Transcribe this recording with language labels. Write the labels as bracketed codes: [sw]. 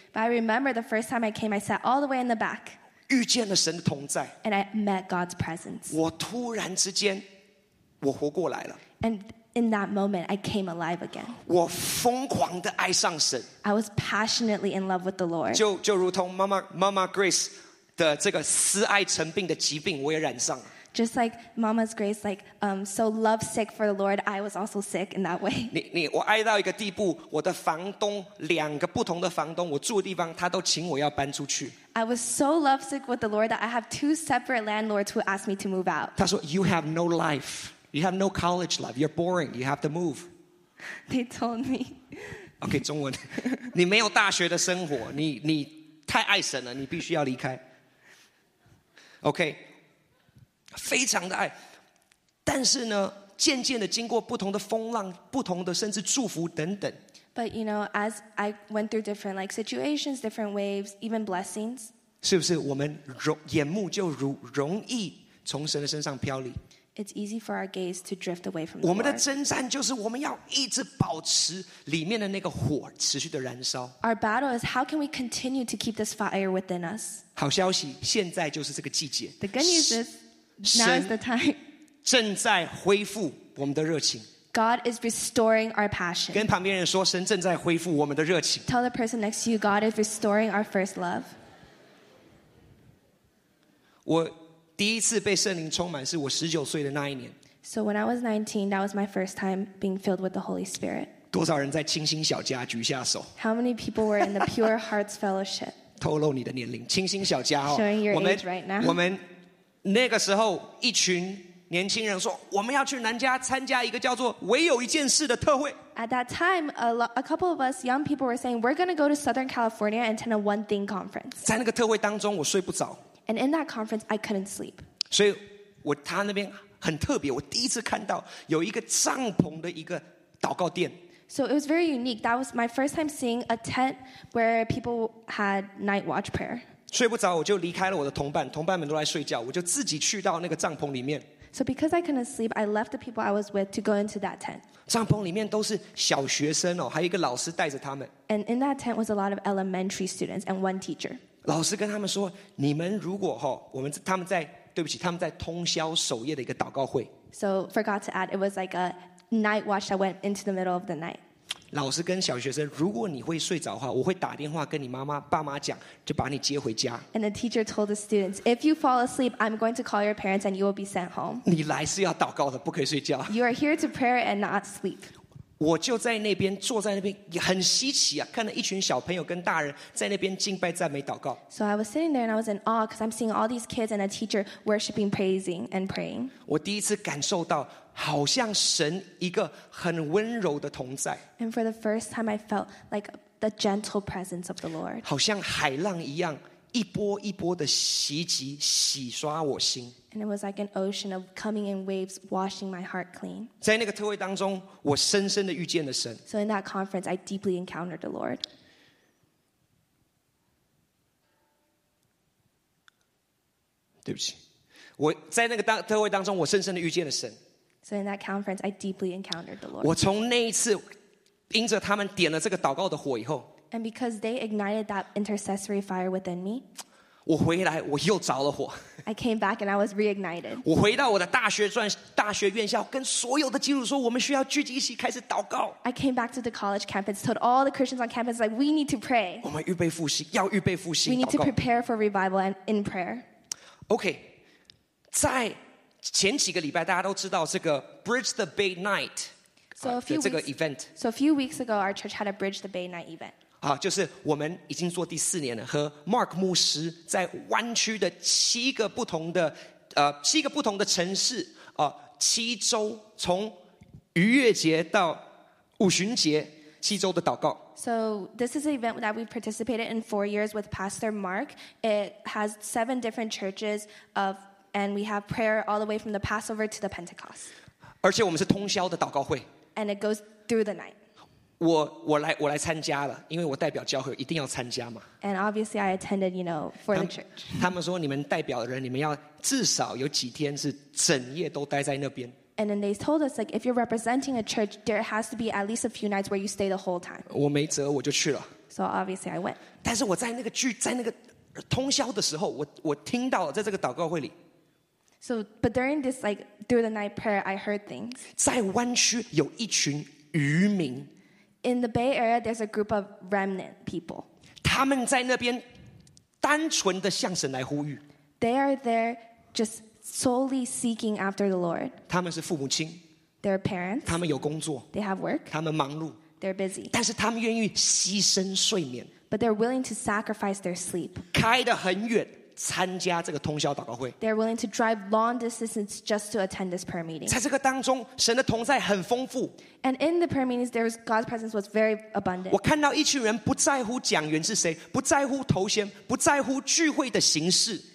[en] But I remember the first time I came, I sat all the way in the back. [zh] 遇见了神的同在， [en] And I met God's presence. [zh] 我突然之间我活过来了。 [en] And in that moment, I came alive again. [zh] 我疯狂地爱上神。 [en] I was passionately in love with the Lord. [zh] 就如同妈妈 Grace 的这个思爱成病的疾病，我也染上了。 [en] Just like Mama's Grace, like so love sick for the Lord, I was also sick in that way. [zh] 我爱到一个地步，我的房东，两个不同的房东，我住的地方，他都请我要搬出去。 [en] I was so love sick with the Lord that I have two separate landlords who asked me to move out. [zh] 他说 [en] ，You have no life. You have no college life. You're boring. You have to move. They told me. [zh] Okay, 中文。你没有大学的生活，你太爱神了，你必须要离开。 Okay, 非常的爱，但是呢，渐渐的经过不同的风浪，不同的甚至祝福等等。 [en] But you know, as I went through different like situations, different waves, even blessings. [zh] 是不是我们眼目就容易从神的身上飘离？ [en] It's easy for our gaze to drift away from the Lord. [zh] 我们的征战就是我们要一直保持里面的那个火持续的燃烧。 [en] Our battle is how can we continue to keep this fire within us? [zh] 好消息，现在就是这个季节。 [en] The good news is now is the time. [zh] 正在恢复我们的热情。 [en] God is restoring our passion. [zh] 跟旁边人说，神正在恢复我们的热情。 [en] Tell the person next to you, God is restoring our first love. [zh] 我第一次被圣灵充满是我十九岁的那一年。 [en] So when I was 19, that was my first time being filled with the Holy Spirit. [zh] 多少人在清新小家举下手 [en] ？How many people were in the Pure Hearts Fellowship？ [zh] 透露你的年龄，清新小家哦。 [en] Showing your age right now. [zh] 我们那个时候一群年轻人说，我们要去南加参加一个叫做“唯有一件事”的特会。 [en] At that time, a couple of us young people were saying, "We're going to go to Southern California and attend a One Thing conference." [zh] 在那个特会当中，我睡不着。 [en] And in that conference, I couldn't sleep. [zh] 所以我他那边很特别，我第一次看到有一个帐篷的一个祷告殿。 [en] So it was very unique. That was my first time seeing a tent where people had night watch prayer. [zh] 睡不着，我就离开了我的同伴，同伴们都在睡觉，我就自己去到那个帐篷里面。 [en] So because I couldn't sleep, I left the people I was with to go into that tent. [zh] 帐篷里面都是小学生哦，还有一个老师带着他们。 [en] And in that tent was a lot of elementary students and one teacher. [zh] 老师跟他们说，你们如果哈，我们他们在。对不起，他们在通宵守夜的一个祷告会。 [en] So forgot to add, it was like a night watch that went into the middle of the night. [zh] 老师跟小学生，如果你会睡着的话，我会打电话跟你妈妈、爸妈讲，就把你接回家。 [en] And the teacher told the students, if you fall asleep, I'm going to call your parents and you will be sent home. [zh] 你来是要祷告的，不可以睡觉。 [en] You are here to pray and not sleep. [zh] 我就在那边坐在那边，很稀奇啊，看到一群小朋友跟大人在那边敬拜赞美祷告。 [en] So I was sitting there and I was in awe because I'm seeing all these kids and a teacher worshiping, praising, and praying. [zh] 我第一次感受到好像神一个很温柔的同在。 [en] And for the first time, I felt like the gentle presence of the Lord. [zh] 好像海浪一样，一波一波的袭击，洗刷我心。 [en] And it was like an ocean of coming in waves, washing my heart clean. [zh] 在那个特会当中，我深深的遇见了神。 [en] So in that conference, I deeply encountered the Lord. [zh] 对不起，我在那个特会当中，我深深的遇见了神。 [en] So in that conference, I deeply encountered the Lord. [zh] 我从那一次因着他们点了这个祷告的火以后 [en] ，And because they ignited that intercessory fire within me. [zh] 我回来，我又着了火。 [en] I came back and I was reignited. [zh] 我回到我的大学院校，跟所有的基督徒说，我们需要聚集一起开始祷告。 [en] I came back to the college campus, told all the Christians on campus, like we need to pray. [zh] 我们预备复兴，要预备复兴。 [en] We need to prepare for revival and in prayer. [zh] Okay, 在前几个礼拜，大家都知道这个 Bridge the Bay Night 的这个 event. [en] So a few weeks ago, our church had a Bridge the Bay Night event. [zh] 就是我们已经做第四年了，和 Mark 牧师在湾区的七个不同的城市七周，从逾越节到五旬节七周的祷告。 [en] So this is an event that we've participated in 4 years with Pastor Mark. It has 7 different churches of, and we have prayer all the way from the Passover to the Pentecost. [zh] 而且我们是通宵的祷告会。 [en] And it goes through the night. [zh] 我来参加了，因为我代表教会，一定要参加嘛。 [en] And obviously I attended, you know, for the church. [zh] 他们说你们代表的人，你们要至少有几天是整夜都待在那边。 [en] And then they told us, like, if you're representing a church, there has to be at least a few nights where you stay the whole time. [zh] 我没辙，我就去了。 [en] So obviously I went. [zh] 但是我在那个聚，在那个通宵的时候，我听到在这个祷告会里。 [en] So, but during this, like, through the night prayer, I heard things. [zh] 在湾区有一群渔民。 [en] In the Bay Area, there's a group of remnant people. [zh] 他们在那边单纯的向神来呼吁。 [en] They are there just solely seeking after the Lord. [zh] 他们是父母亲。 [en] They're parents. [zh] 他们有工作。 [en] They have work. [zh] 他们忙碌。 [en] They're busy. [zh] 但是他们愿意牺牲睡眠。 [en] But they're willing to sacrifice their sleep. [zh] 开得很远。参加这个通宵祷告会。 [en] They're willing to drive long distances just to attend this prayer meeting. [zh] 在这个当中，神的同在很丰富。 [en] And in the prayer meetings, there was God's presence was very abundant. [zh] 我看到一群人不在乎讲员是谁，不在乎头衔，不在乎聚会的形式。